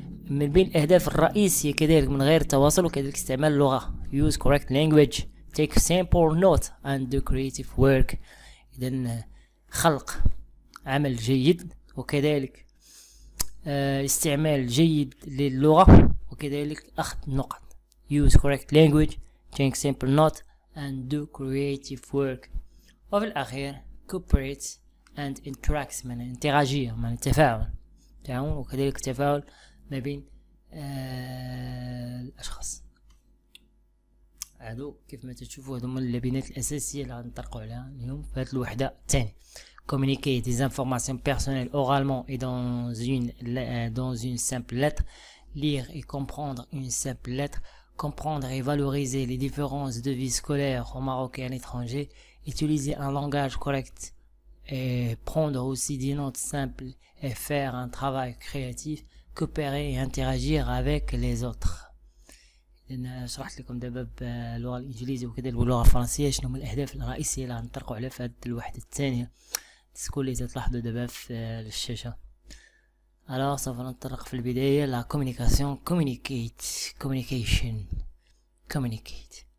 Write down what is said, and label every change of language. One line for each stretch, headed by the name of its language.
Arabic: من بين الأهداف الرئيسية كذلك من غير التواصل وكذلك استعمال اللغة.
English: Use correct language, take simple notes and do creative work.
Arabic: إذن خلق عمل جيد وكذلك استعمال جيد للغة وكذلك أخذ نقط.
English: Use correct language, take simple notes and do creative work.
Arabic: وفي الأخير
English: cooperate and interact
Arabic: من الانتراجية من التفاعل تعاون وكذلك التفاعل ما بين الأشخاص. هادو كيف ما تشوفوا هادو هما اللبنات الأساسية اللي غنطرقوا عليها اليوم في هاد الوحدة الثانية.
French: Communiquer des informations personnelles oralement et dans une simple lettre, lire et comprendre une simple lettre, comprendre et valoriser les différences de vie scolaire au Maroc et à l'étranger, utiliser un langage correct et prendre aussi des notes simples et faire un travail créatif, coopérer et interagir avec les autres.
Arabic: لان شرحت لكم دابا باللغه الانجليزيه وكذا باللغه الفرنسيه شنو هما الاهداف الرئيسيه اللي غنطرقوا عليها في هذه الوحده الثانيه تكون اللي تلاحظوا دابا في الشاشه alors سوف نطرق في البدايه لا كومونيكاسيون كومونيكيت كومونيكيشن كومونيكيت